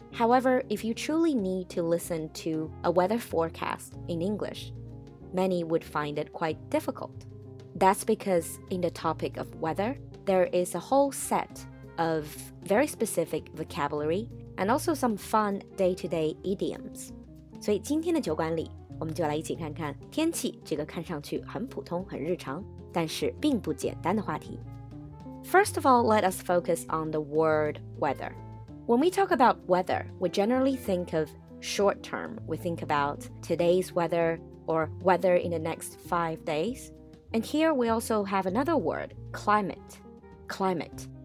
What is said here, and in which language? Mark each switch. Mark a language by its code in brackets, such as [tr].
[en] However, if you truly need to listen to a weather forecast in English, many would find it quite difficult. That's because in the topic of weather, there is a whole set of very specific vocabulary and also some fun day-to-day idioms. [zh] 所以今天的酒馆里，我们就来一起看看天气这个看上去很普通、很日常，但是并不简单的话题。 [en] First of all, let us focus on the word weather. When we talk about weather, we generally think of short term. We think about today's weather or weather in the next 5 days. And here we also have another word, climate. Climate.